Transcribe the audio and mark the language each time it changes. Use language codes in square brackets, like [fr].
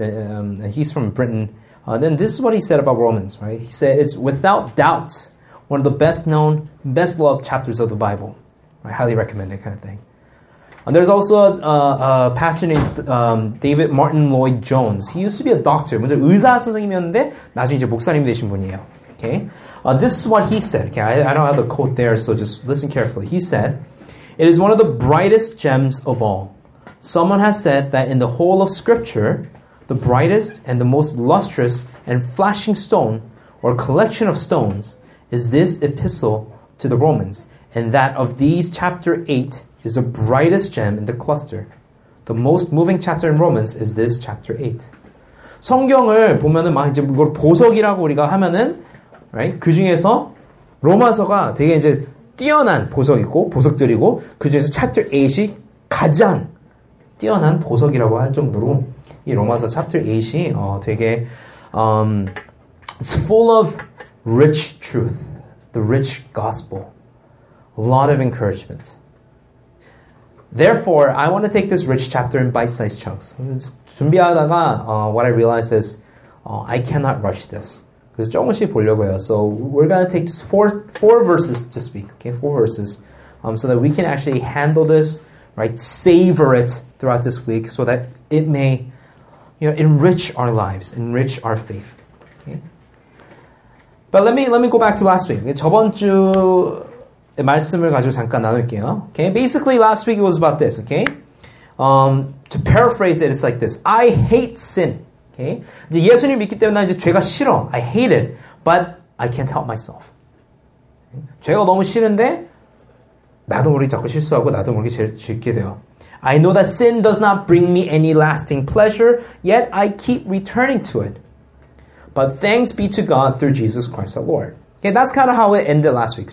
[en] And he's from Britain. Then this is what he said about Romans, right? He said it's without doubt one of the best-known, best-loved chapters of the Bible. I highly recommend it, kind of thing. And there's also a pastor named David Martin Lloyd-Jones. He used to be a doctor. [ko] 먼저 의사 선생님이었는데 나중에 이제 목사님이 되신 분이에요. [en] Okay. This is what he said. Okay, I don't have the quote there, so just listen carefully. He said, "It is one of the brightest gems of all. Someone has said that in the whole of Scripture, the brightest and the most lustrous and flashing stone or collection of stones is this epistle to the Romans, and that of these chapter 8 is the brightest gem in the cluster. The most moving chapter in Romans is this chapter 8. [ko] 성경을 보면은 막 이제 이걸 보석이라고 우리가 하면은, right? 그 중에서 로마서가 되게 이제 뛰어난 보석이고 보석들이고 그 중에서 chapter 8이 가장 뛰어난 보석이라고 할 정도로 이 로마서 chapter 8이 되게 [en] it's full of rich truth, the rich gospel, a lot of encouragement. Therefore, I want to take this rich chapter in bite-sized chunks. [ko] 준비하다가 [en] what I realized is I cannot rush this. [ko] 그래서 조금씩 보려고요. [en] So we're going to take just four verses to speak, okay? Four verses, so that we can actually handle this, right? Savor it throughout this week so that it may, you know, enrich our lives, enrich our faith. But let me go back to last week. [ko] 저번 주의 말씀을 가지고 잠깐 나눌게요. [en] Okay, basically last week it was about this. Okay, to paraphrase it, it's like this. I hate sin. [ko] Okay, 이제 예수님 믿기 때문에 이제 죄가 싫어. [en] I hate it, but I can't help myself. Okay? [ko] 죄가 너무 싫은데 나도 모르게 자꾸 실수하고 나도 모르게 죄를 짓게 돼요. [en] I know that sin does not bring me any lasting pleasure, yet I keep returning to it. But thanks be to God through Jesus Christ our Lord. Okay, that's kind of how it ended last week.